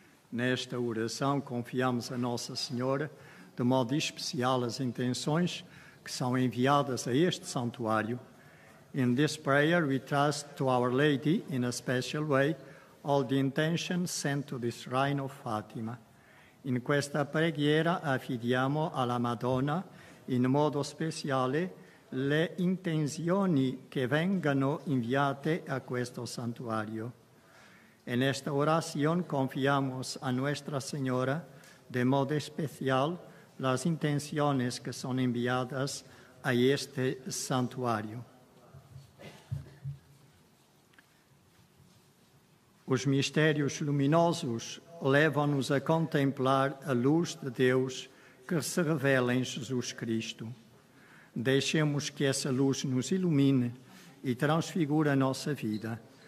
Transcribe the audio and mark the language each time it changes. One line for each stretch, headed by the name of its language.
Portuguese: Nesta oração confiamos a Nossa Senhora, de modo especial, as intenções que são enviadas a este santuário.
English: In this prayer we trust to Our Lady, in a special way, all the intentions sent to this shrine of Fatima.
Italian: In questa preghiera affidiamo alla Madonna, in modo speciale, le intenzioni che vengano inviate a questo santuario.
Spanish: En esta oración confiamos a Nuestra Señora, de modo especial, las intenciones que son enviadas a este santuario.
Portuguese: Os mistérios luminosos levam-nos a contemplar a luz de Deus que se revela em Jesus Cristo. Deixemos que essa luz nos ilumine e transfigure a nossa vida.